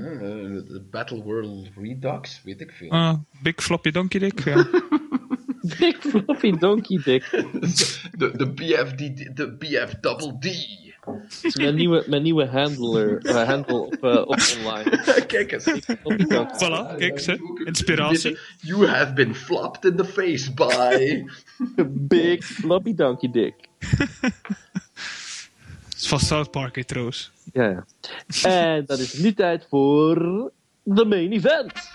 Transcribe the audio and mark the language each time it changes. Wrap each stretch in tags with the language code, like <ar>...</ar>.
<en>The Battle World Redux,</en> <nl>weet ik veel.</nl> <en>Big Floppy Donkey Dick, ja. Big Floppy Donkey Dick.</en> <nl>De BFD, de BFDD. Mijn nieuwe handler, handle op online. Kijk eens. Voilà, kijk eens. Inspiratie.</nl> <en>You have been flopped in the face by... Big Floppy Donkey Dick.</en> <nl>Het is van South Park, trouwens. Ja, ja. En dan is het nu tijd voor...</nl> <en>The Main Event.</en>